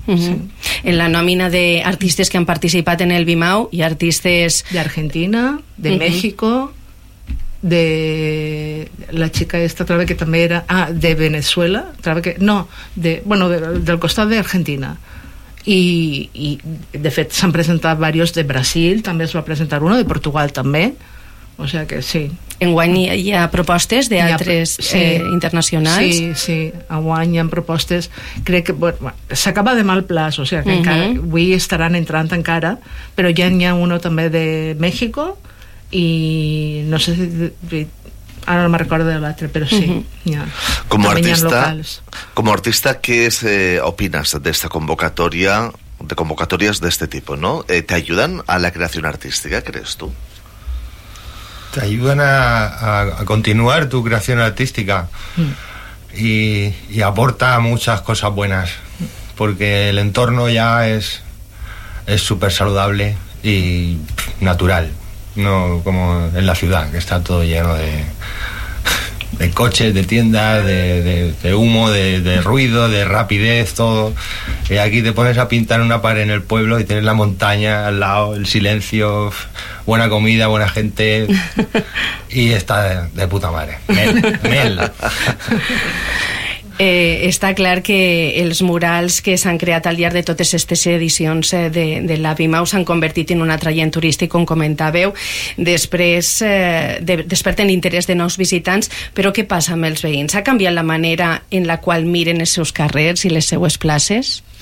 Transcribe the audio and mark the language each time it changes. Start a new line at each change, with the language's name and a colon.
Spanish: En la nómina de artistas que han participado en el BIMAU y artistas de Argentina, de México, de la chica esta otra vez que también era de Venezuela, otra vez que no, de bueno, del costado de Argentina.
Catalan: Y de fet s'han presentat varios de Brasil, també es va presentar uno de Portugal també.
Spanish: O sea que sí.
Catalan: Enguany hi ha propostes d'altres internacionals? Sí, enguany hi ha propostes. Crec que s'acaba de mal plaç,
Spanish: o sea que
Catalan: encara, avui estaran entrant encara, però ja n'hi ha uno també de México
Spanish: y no sé si, ahora no me recuerdo del batre, pero sí. Uh-huh. Ya. Como también artista, ¿qué es, opinas de esta convocatoria, de convocatorias de este tipo, ¿no? ¿Te ayudan a la creación artística, crees tú? Te ayudan a continuar tu creación artística. Uh-huh. Y aporta muchas cosas buenas, porque el entorno ya es súper saludable y natural. No como en la ciudad, que está todo lleno de coches, de tiendas, de humo, de ruido, de rapidez, todo. Y aquí te pones a pintar una pared en el pueblo y tienes la montaña al lado, el silencio, buena comida, buena gente. Y está de puta madre. Mel.
Catalan: Está clar que els murals que s'han creat al llarg de totes aquestes edicions de la Bimau s'han convertit en un atraient turístic, com comentàveu. Després desperten l'interès de nous visitants, però què passa amb els veïns? Ha canviat la manera en la qual miren els seus carrers i les seues places?